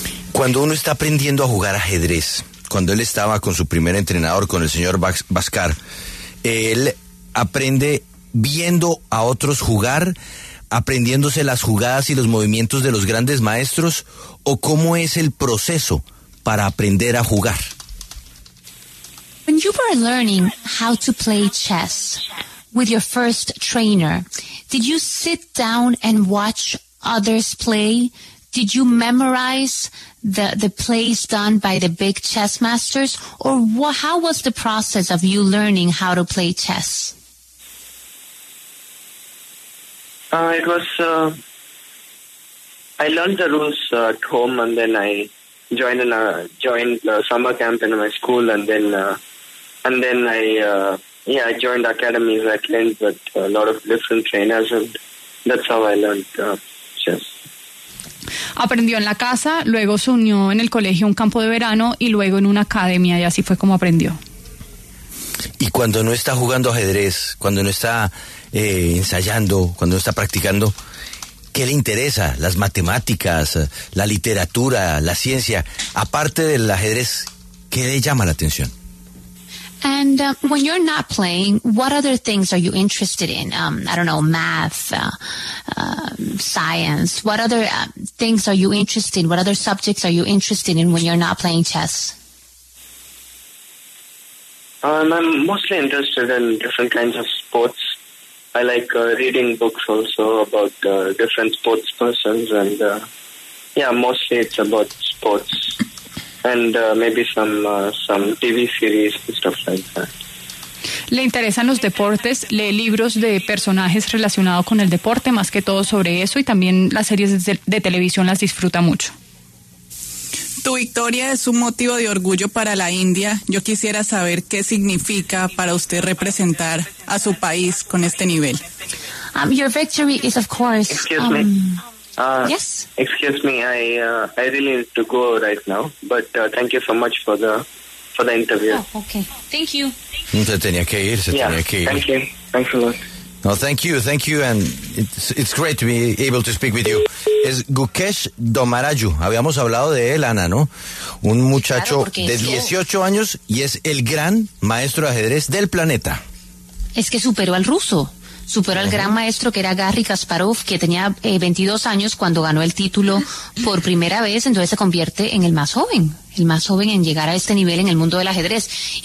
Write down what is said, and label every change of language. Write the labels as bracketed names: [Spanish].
[Spanish] Cuando uno está aprendiendo a jugar ajedrez, cuando él estaba con su primer entrenador, con el señor Bhaskar, él aprende viendo a otros jugar, aprendiéndose las jugadas y los movimientos de los grandes maestros, ¿o cómo es el proceso para aprender a jugar. [English] When you were learning how to play chess with your first trainer, did you sit down and watch others play? Did you memorize the plays done by the big chess masters? Or how was the process of you learning how to play chess? I learned the rules at home, and then I joined a summer camp in my school, and then I joined academies. I trained with a lot of different trainers, and that's how I learned chess. [Spanish] Aprendió en la casa, luego se unió en el colegio a un campo de verano y luego en una academia, y así fue como aprendió. Y cuando no está jugando ajedrez, cuando no está ensayando, cuando no está practicando, ¿qué le interesa? Las matemáticas, la literatura, la ciencia, aparte del ajedrez, ¿qué le llama la atención? [English] And when you're not playing, what other things are you interested in? Math, science. What other things are you interested in? What other subjects are you interested in when you're not playing chess? I'm mostly interested in different kinds of sports. I like reading books also about different sports persons. And mostly it's about sports. And maybe some TV series and stuff like that. [Spanish] ¿Le interesan los deportes? ¿Lee libros de personajes relacionados con el deporte, más que todo sobre eso? Y también las series de televisión las disfruta mucho. Tu victoria es un motivo de orgullo para la India. Yo quisiera saber qué significa para usted representar a su país con este nivel. [English] Your victory is of course... Excuse me. Yes? Excuse me, I really need to go right now, but thank you so much for the interview. Oh, okay. Thank you. [Spanish] Se tenía que ir, tenía que ir. [English] Thank you. Thanks a lot. No, thank you, and it's great to be able to speak with you. [Spanish] Es Gukesh Domaraju, habíamos hablado de él, Ana, ¿no? Un muchacho claro, de 18 años y es el gran maestro de ajedrez del planeta. Es que superó al ruso, superó al gran maestro que era Garry Kasparov, que tenía 22 años cuando ganó el título por primera vez, entonces se convierte en el más joven en llegar a este nivel en el mundo del ajedrez.